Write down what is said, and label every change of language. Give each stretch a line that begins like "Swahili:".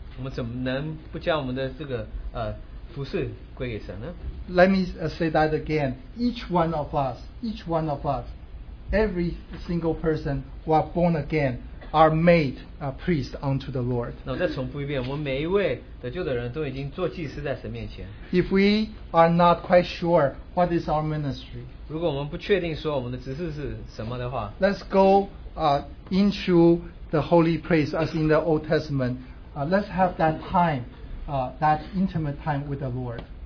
Chinese: 我们怎么能不将我们的这个服事归给神呢？
English: Let me say that again. Each one of us, every single person who are born again are made a priest unto the Lord.
Chinese: 那我再重复一遍，我们每一位得救的人都已经做祭司在神面前。
English: If we are not quite sure what is our ministry,
Chinese: 如果我们不确定说我们的职事是什么的话,
English: let's go into the holy place as in the Old Testament. Let's have that time, that intimate time with the Lord.